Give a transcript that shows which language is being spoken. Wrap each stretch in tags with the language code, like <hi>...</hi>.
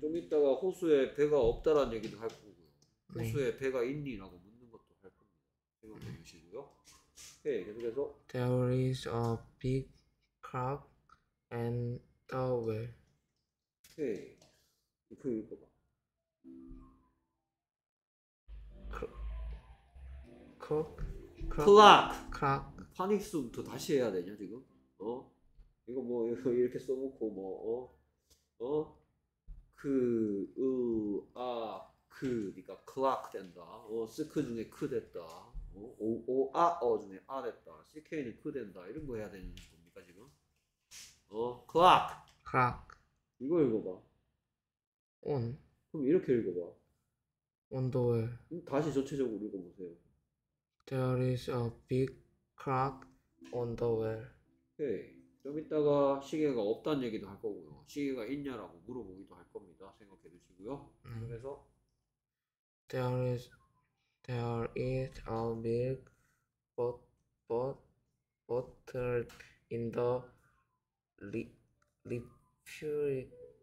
<ko>좀 이따가 호수에 배가 없다라는 얘기도 할 거고요. 네. 호수에 배가 있니라고 묻는 것도 할 겁니다. 생각해 주시고요. 오케이, 계속해서.</ko> <en>There is a big crab and a whale.</en> <ko>오케이, 이거 읽어봐.</ko> <en>클락!</en> <ko>파닉스부터 다시 해야 되냐, 지금? 이거 뭐, 이렇게 써놓고, 뭐, 그니까, 클락 된다. 스크 중에 크 됐다. 중에 아 됐다. CK는 크 된다. 이런 거 해야 되는 겁니까, 지금?</ko> <en>클락! Clock</en> <ko>이거 읽어봐.</ko> <en>on</en> <ko>그럼 이렇게 읽어봐.</ko> <en>on the wall.</en> <ko>다시 전체적으로 읽어보세요.</ko> <en>There is a big clock on the wall.</en> <ko>오케이. 좀 이따가 시계가 없다는 얘기도 할 거고요. 시계가 있냐라고 물어보기도 할 겁니다. 생각해 두시고요. 그래서</ko> <en>There is a big bottle in the refrigerator.</en>